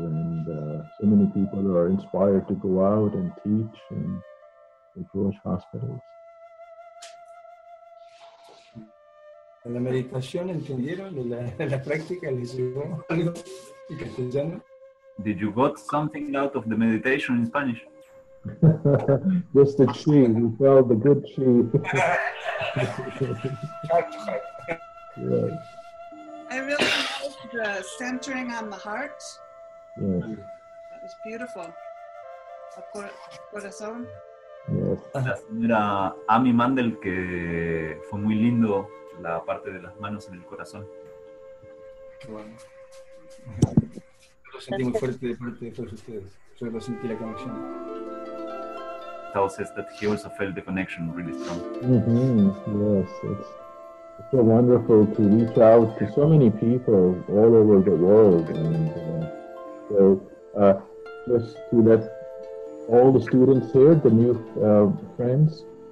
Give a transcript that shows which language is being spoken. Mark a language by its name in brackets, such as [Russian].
[English] And so many people are inspired to go out and teach in the Jewish hospitals. [Spanish] ¿En la meditación entendieron? ¿En la práctica les llegó algo en castellano? [English] Did you got something out of the meditation in Spanish? Just the chi, you felt the good chi. I really loved the centering on the heart. Yes. That was beautiful. [Spanish] A corazón. [English] Yes. [Spanish] La señora Amy Mandel, que fue muy lindo la parte de las manos en el corazón. Bueno. Lo sentí muy fuerte de parte de todos ustedes. Yo lo sentí la conexión. [English] Tao says that he also felt the connection really strong. Mm-hmm. Yes, it's so wonderful to reach out to so many people all over the world. And just to let all the students here, the new friends.